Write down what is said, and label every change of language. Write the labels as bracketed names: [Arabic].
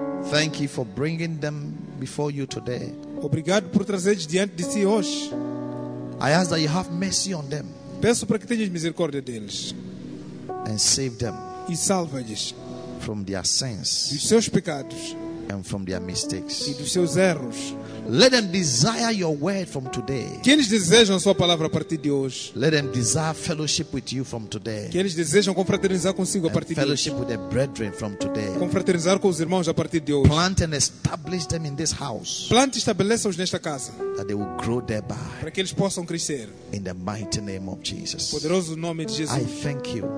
[English] Thank you for bringing them before you today. [Portuguese] Obrigado por trazê-los diante de si hoje. [English] I ask that you have mercy on them. [Portuguese] Peço para que tenhas misericórdia deles. [English] And save them. [Portuguese] E salva-lhes. [English] From their sins. [Portuguese] Dos seus pecados. [English] And from their mistakes. [Portuguese] E dos seus erros. [English] Let them desire your word from today. [Portuguese] Que eles desejam sua palavra a partir de hoje. [English] Let them desire fellowship with you from today. [Portuguese] Que eles desejam confraternizar consigo a partir de hoje. [English] Fellowship with their brethren from today. [Portuguese] Confraternizar com os irmãos a partir de hoje. [English] Plant and establish them in this house. [Portuguese] Plante e estabeleça-os nesta casa. [English] That they will grow thereby. [Portuguese] Para que eles possam crescer. [English] In the mighty name of Jesus. [Portuguese] Poderoso nome de Jesus. [English] I thank you.